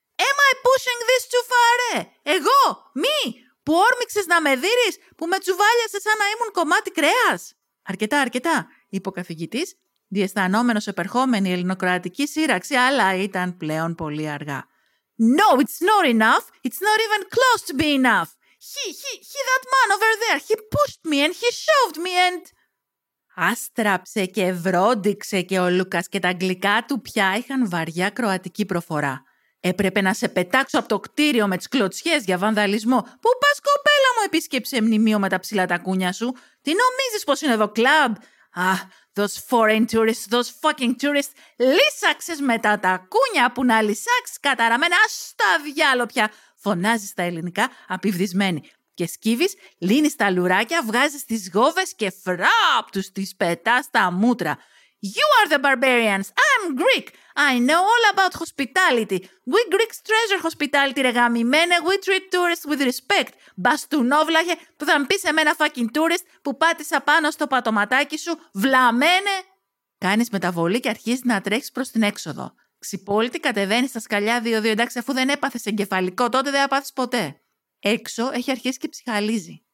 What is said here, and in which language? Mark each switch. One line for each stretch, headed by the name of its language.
English: «Am I pushing this too far,
Greek: ε! Εγώ, μη, που όρμηξες να με δείρεις, που με τσουβάλιασες σαν να ήμουν κομμάτι κρέας!» «Αρκετά, αρκετά», είπε ο καθηγητής, διαισθανόμενος επερχόμενη ελληνοκροατική σύραξη, αλλά ήταν πλέον πολύ αργά.
English: «No, it's not enough. It's not even close to be enough. He, that man over there, he pushed me and he shoved me and...»
Greek: Άστραψε και βρόντιξε και ο Λούκας και τα αγγλικά του πια είχαν βαριά κροατική προφορά. «Έπρεπε να σε πετάξω από το κτίριο με τις κλωτσιές για βανδαλισμό. Πού πας, κοπέλα μου, επίσκεψε μνημείο με τα ψηλά τακούνια σου. Τι νομίζεις πως είναι εδώ, κλαμπ? Αχ,
English: those foreign tourists, those fucking tourists,
Greek: λύσαξες με τα τακούνια που να λυσάξεις καταραμένα, ας τα διάλο πια!» Φωνάζεις στα ελληνικά, απειβδισμένη. Και σκύβεις, λύνεις τα λουράκια, βγάζεις τις γόβες και φράπ τους τις πετάς τα μούτρα.
English: «You are the barbarians, I'm Greek, I know all about hospitality. We Greeks treasure hospitality,
Greek: ρε γαμημένε,
English: we treat tourists with respect.
Greek: Μπαστουνόβλαχε, που θα μου πεις εμένα
English: fucking tourist
Greek: που πάτησα πάνω στο πατωματάκι σου, βλαμένε!» Κάνεις μεταβολή και αρχίζεις να τρέχεις προς την έξοδο. Ξυπόλυτη κατεβαίνεις στα σκαλιά 2-2, εντάξει αφού δεν έπαθες εγκεφαλικό, τότε δεν έπαθες ποτέ. Έξω έχει αρχίσει και ψυχαλίζει.